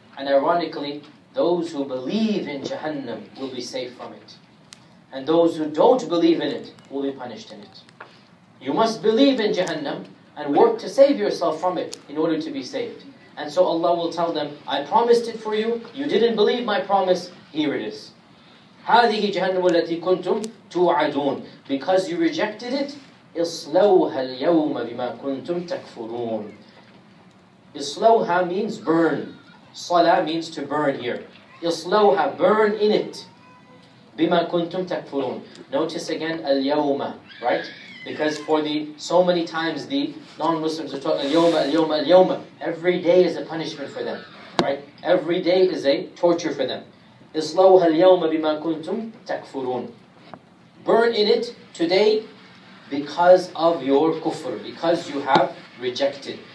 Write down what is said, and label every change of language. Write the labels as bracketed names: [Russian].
[English] And ironically, those who believe in Jahannam will be safe from it. And those who don't believe in it will be punished in it. You must believe in Jahannam and work to save yourself from it in order to be saved. And so Allah will tell them, I promised it for you, you didn't believe my promise, here it is. [Arabic] هَذِهِ جَهَنَّمُ الَّتِي كُنْتُمْ تُوعَدُونَ [English] Because you rejected it, [Arabic] إِصْلَوْهَا الْيَوْمَ بِمَا كُنْتُمْ تَكْفُرُونَ إِصْلَوْهَا [English] means burn. [Arabic] صَلَاه [English] means to burn here. [Arabic] إِصْلَوْهَا [English] burn in it. [Arabic] بِمَا كُنْتُمْ تَكْفُرُونَ [English] Notice again, [Arabic] الْيَوْمَ, [English] right? Because for the so many times the non-Muslims are talking, [Arabic] الْيَوْمَ, الْيَوْمَ, الْيَوْمَ. [English] Every day is a punishment for them, right? Every day is a torture for them. [Arabic] إِصْلَوْهَا الْيَوْمَ بِمَا كُنْتُمْ تَكْفُرُونَ [English] Burn in it today, because of your kufr, because you have rejected.